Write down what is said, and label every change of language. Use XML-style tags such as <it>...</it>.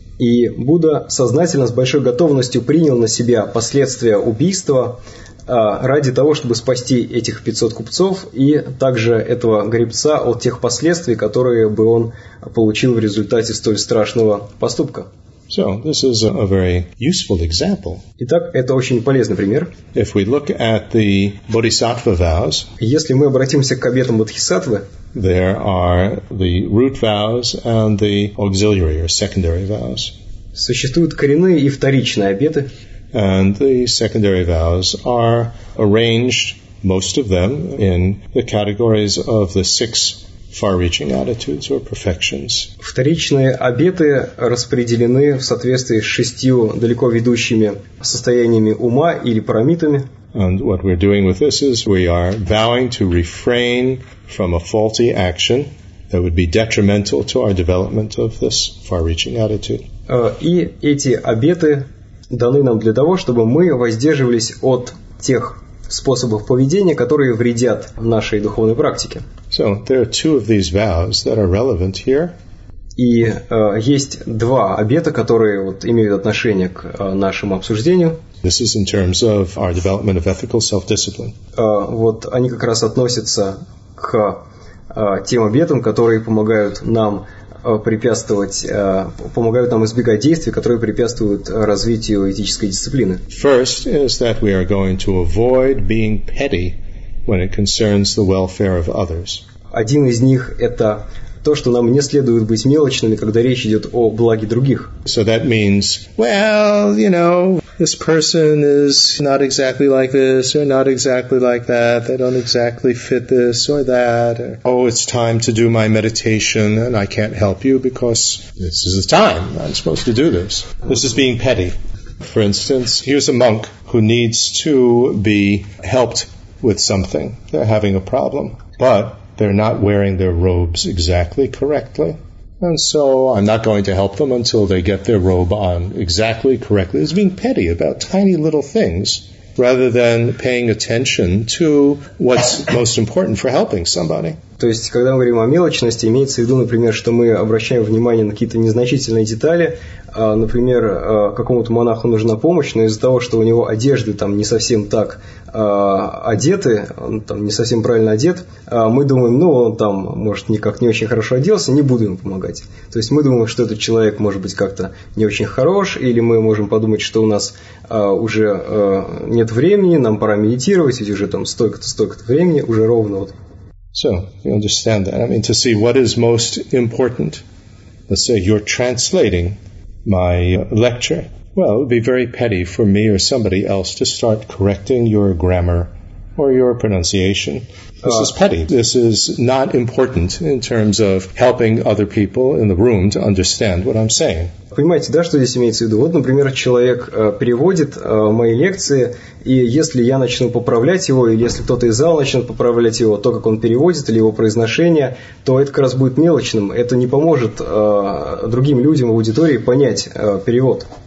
<ru>И Будда сознательно, с большой готовностью принял на себя последствия убийства, ради того, чтобы спасти этих 500 купцов и также этого гребца от тех последствий, которые бы он получил в результате столь страшного поступка.</ru> <en>So, this is a very useful example.</en> <ru>Итак, это очень полезный пример.</ru> <en>If we look at the bodhisattva vows,</en> <ru>если мы обратимся к обетам бодхисаттвы,</ru> <en>there are the root vows and the auxiliary or secondary vows.</en> <ru>Существуют коренные и вторичные обеты.</ru> <en>And the secondary vows are arranged, most of them, in the categories of the six far-reaching attitudes or perfections.</en> <ru>Вторичные обеты распределены в соответствии с шестью далеко ведущими состояниями ума или парамитами.</ru> <en>And what we're doing with this is we are vowing to refrain from a faulty action that would be detrimental to our development of this far-reaching attitude.</en> <ru>И эти обеты даны нам для того, чтобы мы воздерживались от тех способов поведения, которые вредят нашей духовной практике.</ru> <en>So there are two of these vows that are relevant here.</en> <ru>И есть два обета, которые вот, имеют отношение к нашему обсуждению.</ru> <en>This is in terms of our development of ethical self-discipline.</en> <ru>Вот они как раз относятся к тем обетам, которые помогают нам препятствовать, помогают нам избегать действий, которые препятствуют развитию этической дисциплины.</ru> <en>First is that we are going to avoid being petty when it concerns the welfare of others.</en> <ru>Один из них – это то, что нам не следует быть мелочными, когда речь идет о благе других.</ru> <en>So that means, well, you know, this person is not exactly like this, or not exactly like that, they don't exactly fit this or that. Or, oh, it's time to do my meditation, and I can't help you because this is the time, I'm supposed to do this. This is being petty. For instance, here's a monk who needs to be helped with something. They're having a problem, but they're not wearing their robes exactly correctly. And so I'm not going to help them until they get their robe on exactly correctly. It's being petty about tiny little things rather than paying attention to what's most important for helping somebody.</en> <ru>То есть, когда мы говорим о мелочности, имеется в виду, например, что мы обращаем внимание на какие-то незначительные детали. Например, какому-то монаху нужна помощь, но из-за того, что у него одежды там не совсем так одеты, он там не совсем правильно одет, мы думаем, ну, он там, может, никак не очень хорошо оделся, не буду ему помогать. То есть мы думаем, что этот человек может быть как-то не очень хорош, или мы можем подумать, что у нас уже нет времени, нам пора медитировать, ведь уже там столько-то времени, уже ровно вот.</ru> <en>So, you understand that. I mean, to see what is most important, let's say you're translating my lecture. Well, it would be very petty for me or somebody else to start correcting your grammar or your pronunciation. This is petty. This is not important in terms of helping other people in the room to understand what I'm saying.</en> <ru>Понимаете, да, что здесь имеется в виду? Вот, например, человек переводит мои лекции, и если я начну поправлять его, или если кто-то из зала начнет поправлять его, то, как он переводит, или его произношение, то это как раз будет мелочным. Это не поможет другим людям в аудитории понять перевод.</ru>